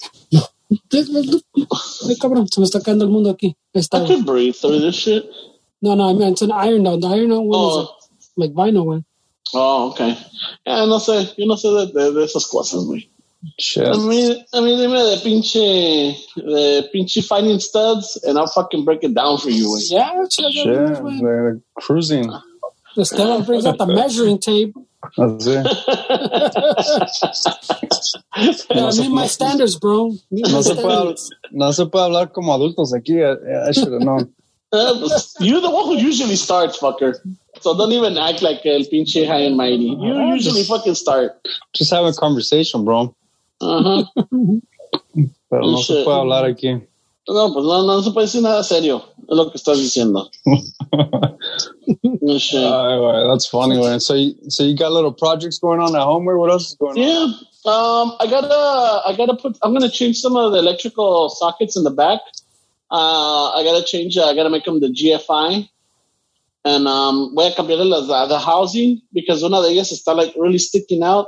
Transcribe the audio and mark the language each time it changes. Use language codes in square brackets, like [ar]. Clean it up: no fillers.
[es] Hey, cabrón, se me está cayendo el mundo aquí. [en] I can breathe through this shit. No, I mean it's an iron down. The iron down one is like vinyl one. Oh, okay. Yeah, [es] no sé de esas cosas, güey. [en] Shit. I mean, dime the pinche finding studs, and I'll fucking break it down for you. Wait. Yeah, they're cruising. The stand up brings out the measuring tape. That's it. Yeah, I need my standards, bro. [es] No se puede hablar como adultos aquí. [en] I should have known. You're the one who usually starts, fucker. So don't even act like el pinche high and mighty. You usually fucking start. Just have a conversation, bro. Uh-huh. [es] Pero no se puede hablar aquí. No, pues no se puede decir nada serio. Es lo que estás diciendo. [en] Anyway, that's funny, man. So you got little projects going on at home, or what else is going on? Yeah. I'm gonna change some of the electrical sockets in the back. I gotta make them the GFI. And [es] voy a cambiar [en] the housing because one of the [es] ellas está [en] like really sticking out.